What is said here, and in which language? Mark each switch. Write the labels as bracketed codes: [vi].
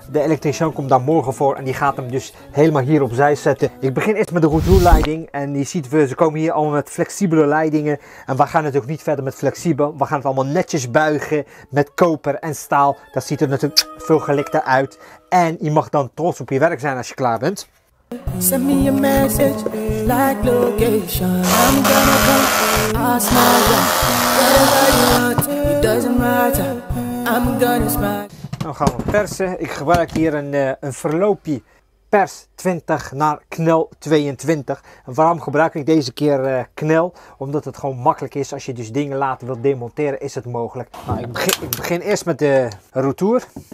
[nl] De elektricien komt daar morgen voor en die gaat hem dus helemaal hier opzij zetten. Ik begin eerst met de retourleiding. En je ziet, ze komen hier allemaal met flexibele leidingen. En we gaan natuurlijk niet verder met flexibel. We gaan het allemaal netjes buigen met koper en staal. Dat ziet er natuurlijk veel gelikter uit. En je mag dan trots op je werk zijn als je klaar bent. [en] Send me a message, like location, I'm gonna come, I'll smile, whatever you want, it doesn't matter, I'm gonna smile. [nl] Dan gaan we persen, ik gebruik hier een verloopje. Pers 20 naar knel 22. En waarom gebruik ik deze keer knel? Omdat het gewoon makkelijk is. Als je dus dingen later wilt demonteren, is het mogelijk. Nou, ik begin eerst met de retour.